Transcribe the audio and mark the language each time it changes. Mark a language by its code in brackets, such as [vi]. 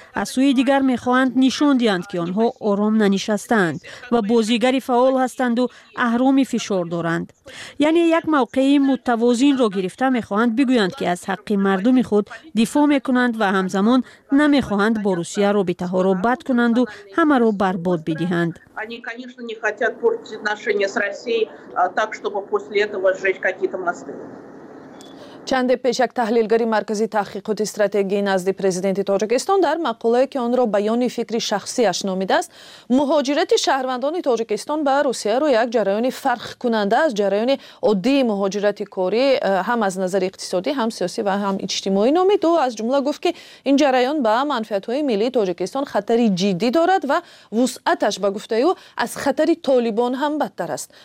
[fa] از سوی دیگر میخواهند نشان دهند که آنها آرام ننشستند و بازیگری فعال هستند و اهرام فشار دارند. یعنی یک موقع متوازن را گرفته میخواهند بگویند که از حق مردم خود دفاع میکنند و همزمان نمیخواهند با روسیه رابطه ها را بد کنند و همه را برباد بدهند. [ru] Они, конечно, не хотят портить отношения с Россией так, чтобы после этого сжечь какие-то мосты. [fa] چند پیش یک تحلیلگری مرکزی تحقیقات استراتژی نزد پرزیدنت تاجیکستان در مقاله‌ای که آن را بیان فکری شخصی اش نامیده است، مهاجرت شهروندان تاجیکستان به روسیه را یک جریان فرق کننده از جریان عادی مهاجرت کاری هم از نظر اقتصادی هم سیاسی و هم اجتماعی نامید و از جمله گفت که این جریان به منفعت‌های ملی تاجیکستان خطری جدی دارد و وسعتش به گفته او از خطر طالبان هم بدتر است.